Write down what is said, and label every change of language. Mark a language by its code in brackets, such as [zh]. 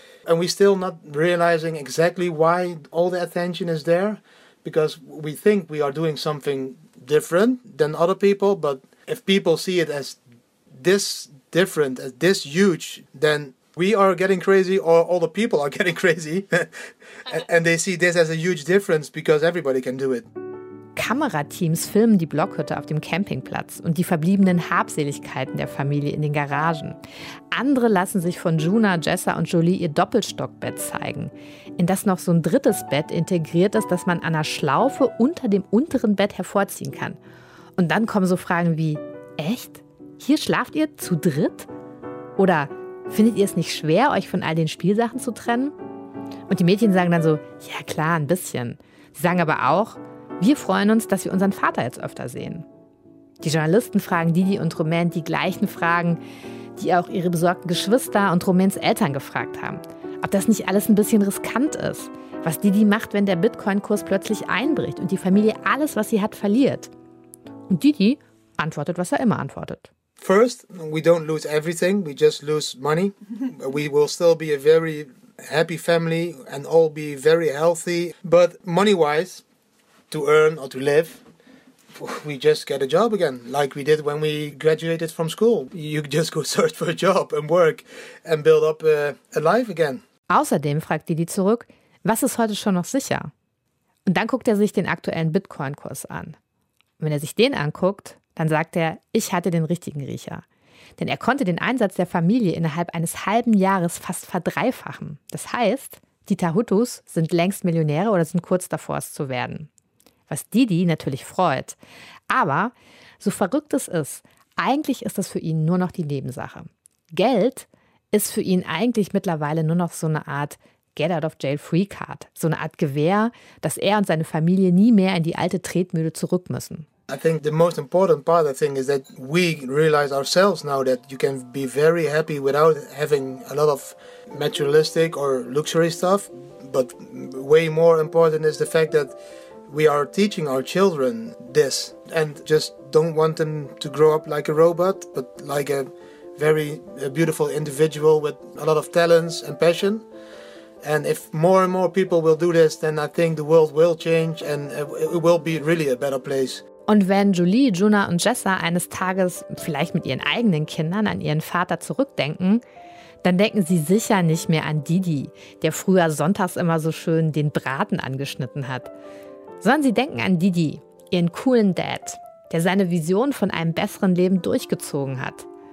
[en] And we're still not realizing exactly why all the attention is there, because we think we are doing something different than other people. But if people see it as this different, as this huge, then we are getting crazy or all the people are getting crazy. And they see this as a huge difference because everybody can do it. [de] Kamerateams filmen die Blockhütte auf dem Campingplatz und die verbliebenen Habseligkeiten der Familie in den Garagen. Andere lassen sich von Juna, Jessa und Jolie ihr Doppelstockbett zeigen, in das noch so ein drittes Bett integriert ist, das man an einer Schlaufe unter dem unteren Bett hervorziehen kann. Und dann kommen so Fragen wie, echt? Hier schlaft ihr zu dritt? Oder findet ihr es nicht schwer, euch von all den Spielsachen zu trennen? Und die Mädchen sagen dann so, ja klar, ein bisschen. Sie sagen aber auch, wir freuen uns, dass wir unseren Vater jetzt öfter sehen. Die Journalisten fragen Didi und Romain die gleichen Fragen, die auch ihre besorgten Geschwister und Romains Eltern gefragt haben. Ob das nicht alles ein bisschen riskant ist, was Didi macht, wenn der Bitcoin-Kurs plötzlich einbricht und die Familie alles, was sie hat, verliert. Und Didi antwortet, was er immer antwortet. [en] First, we don't lose everything, we just lose money. We will still be a very happy family and all be very healthy. But money-wise, to earn or to live, we just get a job again, like we did when we graduated from school. You just go search for a job and work and build up a life again. [de] Außerdem fragt Didi zurück, was ist heute schon noch sicher? Und dann guckt er sich den aktuellen Bitcoin-Kurs an. Und wenn er sich den anguckt, dann sagt er, ich hatte den richtigen Riecher. Denn er konnte den Einsatz der Familie innerhalb eines halben Jahres fast verdreifachen. Das heißt, die Tahutus sind längst Millionäre oder sind kurz davor, es zu werden. Was Didi natürlich freut. Aber so verrückt es ist, eigentlich ist das für ihn nur noch die Nebensache. Geld ist für ihn eigentlich mittlerweile nur noch so eine Art Get-out-of-jail-free-Card. So eine Art Gewehr, dass er und seine Familie nie mehr in die alte Tretmühle zurück müssen. [en] I think the most important part, I think, is that we realize ourselves now that you can be very happy without having a lot of materialistic or luxury stuff. But way more important is the fact that we are teaching our children this and just don't want them to grow up like a robot, but like a very beautiful individual with a lot of talents and passion. And if more and more people will do this, then I think the world will change and it will be really a better place. [de] Und wenn Jolie, Juna und Jessa eines Tages vielleicht mit ihren eigenen Kindern an ihren Vater zurückdenken, dann denken sie sicher nicht mehr an Didi, der früher sonntags immer so schön den Braten angeschnitten hat. Sondern sie denken an Didi, ihren coolen Dad, der seine Vision von einem besseren Leben durchgezogen hat.